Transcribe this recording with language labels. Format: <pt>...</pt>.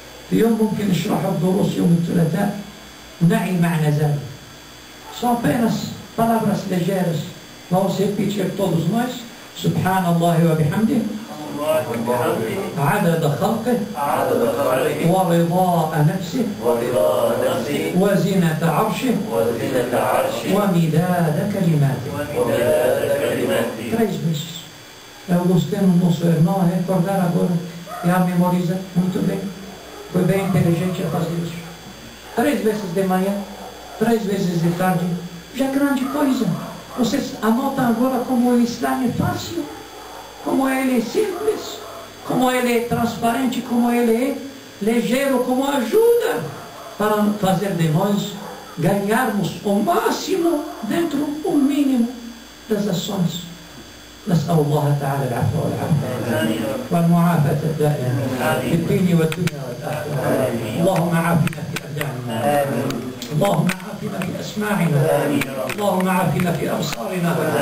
<ar>في يوم ممكن نشرح الدروس يوم الثلاثاء ونعي معنى ذلك.</ar> <pt>São apenas palavras ligeiras. Vamos repetir todos nós.</pt> <ar>سبحان الله وبحمده. عدد خلقه. عدد خلقه. ورضاء نفسه. ورضاء نفسه. وزنة عرشه. وزنة عرشه. ومداد كلماته. ومداد كلماته.</ar> <pt>Três vezes. Eu gostei no nosso irmão recordar agora. E a memoriza muito bem. Foi bem inteligente a fazer isso. Três vezes de manhã, três vezes de tarde, já é grande coisa. Vocês anotam agora como o Islã é fácil, como ele é simples, como ele é transparente, como ele é ligeiro, como ajuda para fazer de nós ganharmos o máximo dentro do mínimo das ações.</pt> <ar>نسأل الله تعالى العفو والعافية والمعافاة الدائمة في الدين والدنيا والآخرة. اللهم عافنا في أبداننا، اللهم عافنا في أسماعنا، اللهم عافنا في أبصارنا.</ar>